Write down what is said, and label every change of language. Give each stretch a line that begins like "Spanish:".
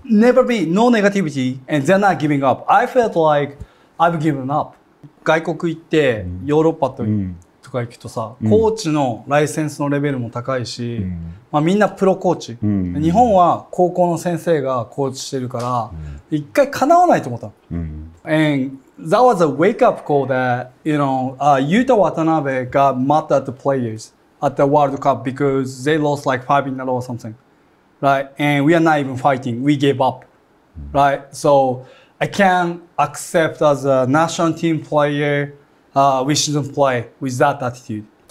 English: Never be, no negativity, and they're not giving up. I felt like I've given up.
Japanese: 外国行って、ヨーロッパと、とか行くとさ、うん、コーチのライセンスのレベルも高いし、うん、まあ、みんなプロコーチ、うん、日本は高校の先生がコーチしてるから、うん、一回叶わないと思った、うん、
English: And that was a wake up call that you know、ユータ渡辺 got mad at the players at the World Cup because they lost like 5 in a row or something right and we are not even fighting we gave up right so I can't accept as a national team playerWe shouldn't play with that attitude.